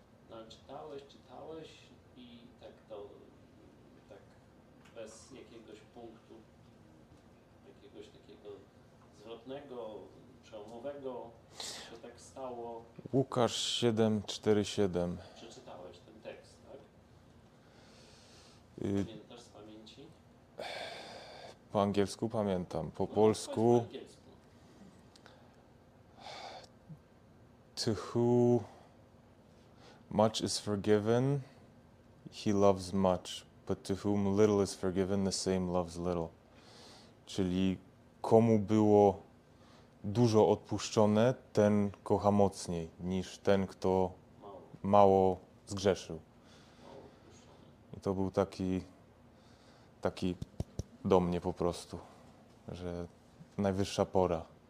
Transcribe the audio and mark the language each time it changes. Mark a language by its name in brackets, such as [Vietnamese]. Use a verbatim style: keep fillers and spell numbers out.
[Polish] No, czytałeś, czytałeś i tak to... tak bez jakiegoś punktu, jakiegoś takiego zwrotnego, przełomowego, się tak stało. Łukasz siedem, cztery, siedem. Przeczytałeś ten tekst, tak? Pamiętasz z pamięci? Po angielsku pamiętam, po No, polsku... powiedz po angielsku. [English] To who much is forgiven, he loves much, but to whom little is forgiven, the same loves little. [Polish] Czyli komu było dużo odpuszczone, ten kocha mocniej niż ten, kto Mało, mało zgrzeszył. mało odpuszczone. I to był taki, taki do mnie po prostu, że najwyższa pora.